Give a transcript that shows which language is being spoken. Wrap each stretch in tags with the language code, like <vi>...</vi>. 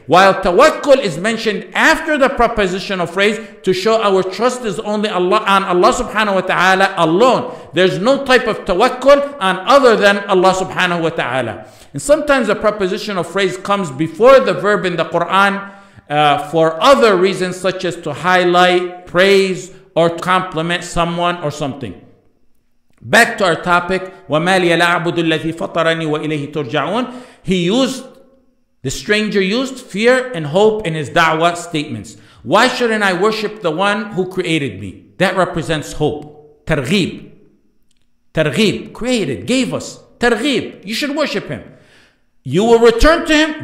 <en>While tawakkul is mentioned after the prepositional phrase to show our trust is only Allah, on Allah subhanahu wa ta'ala alone. There's no type of tawakkul on other than Allah subhanahu wa ta'ala. And sometimes the prepositional phrase comes before the verb in the Quran for other reasons, such as to highlight, praise, or compliment someone or something. Back to our topic,</en> <ar>وَمَا لِيَ لَعْبُدُ الَّذِي فَطَرَنِي وَإِلَيْهِ تُرْجَعُونَ.</ar> <en>The stranger used fear and hope in his da'wah statements. Why shouldn't I worship the one who created me? That represents hope. تَرْغِيب. تَرْغِيب. Created, gave us. تَرْغِيب. You should worship him. You will return to him.</en>